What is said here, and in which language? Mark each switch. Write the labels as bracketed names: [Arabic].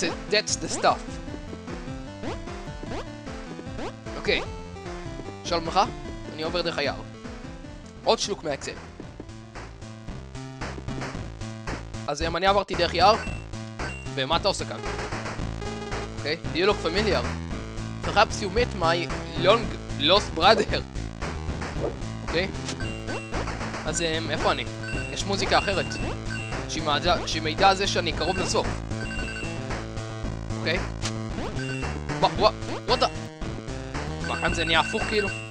[English] That's the stuff. [Hebrew] אוקיי, שלום לך, אני עובר דרך היער. עוד שלוק מהאקסל. אז אם אני עברתי דרך יער, ומה אתה עושה כאן? [English] אוקיי, do you look familiar? Perhaps you met my long lost brother. [Hebrew] אוקיי. אז איפה אני? יש מוזיקה אחרת שמעידה על זה שאני קרוב לסוף. אוקיי? [English] וואט דה? [Hebrew] מה כאן זה נהיה הפוך כאילו?